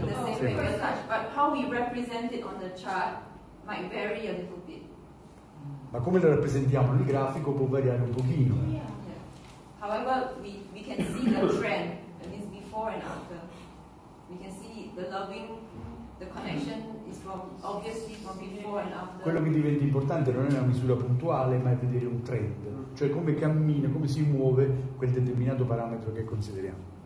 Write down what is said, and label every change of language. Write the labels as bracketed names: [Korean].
[English] But how we represent it on the chart might vary a little bit. [Italian] Ma come lo rappresentiamo il grafico può variare un pochino. [English] Yeah. However, we can see the trend, that means before and after. We can see the loving, the connection is from obviously from before and after. [Italian] Quello che diventa importante non è una misura puntuale, ma è vedere un trend, cioè come cammina, come si muove quel determinato parametro che consideriamo.